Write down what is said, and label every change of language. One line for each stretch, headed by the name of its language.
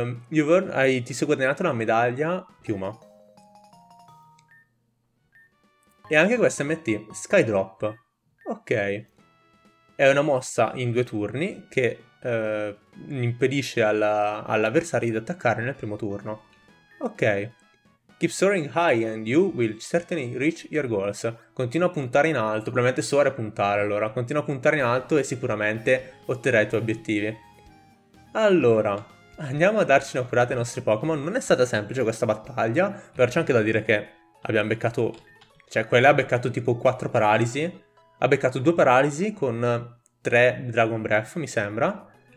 Italian: Ti sei guadagnato la medaglia piuma. E anche questa MT, Skydrop. Ok, è una mossa in 2 turni che impedisce all'avversario di attaccare nel primo turno. Ok.
English: Keep soaring high and you will certainly reach your goals.
Italian: Continua a puntare in alto, probabilmente soare a puntare allora. Continua a puntare in alto e sicuramente otterrai i tuoi obiettivi. Allora, andiamo a darci una curata ai nostri Pokémon. Non è stata semplice questa battaglia, però c'è anche da dire che abbiamo beccato. Cioè, quella ha beccato tipo 4 paralisi. Ha beccato 2 paralisi con 3 Dragon Breath, mi sembra.